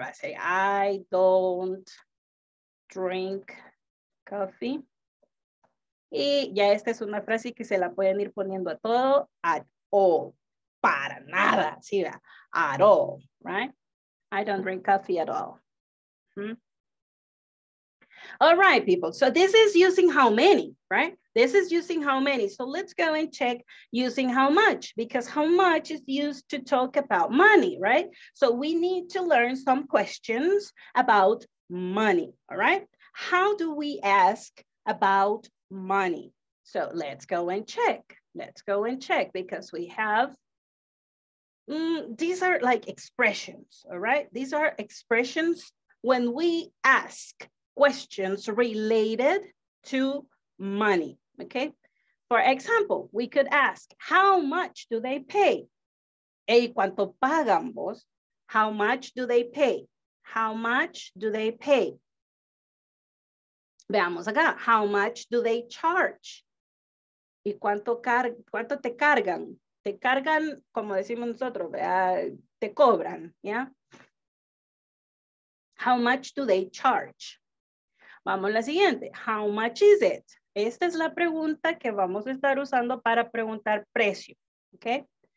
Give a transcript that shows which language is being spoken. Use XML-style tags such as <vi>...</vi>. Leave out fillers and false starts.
<en>I say, I don't drink coffee.</en> <es>Y ya esta es una frase que se la pueden ir poniendo a todo, at all, para nada, sí, at all, right?</es> <en>I don't drink coffee at all. All right, people, so this is using how many, right? This is using how many, so let's go and check using how much, because how much is used to talk about money, right? So we need to learn some questions about money, all right? How do we ask about money? So let's go and check because we have these are like expressions, all right? These are expressions when we ask questions related to money. Okay, for example, we could ask, how much do they pay? Hey,</en> <es>¿cuánto pagan vos?</es> <en>How much do they pay? How much do they pay?</en> <es>Veamos acá,</es> <en>how much do they charge?</en> <es>¿Y cuánto te cargan? Te cargan, como decimos nosotros, te cobran, ¿ya?</es> <en>How much do they charge?</en> <es>Vamos a la siguiente.</es> <en>How much is it?</en> <es>Esta es la pregunta que vamos a estar usando para preguntar precio, ¿ok?</es>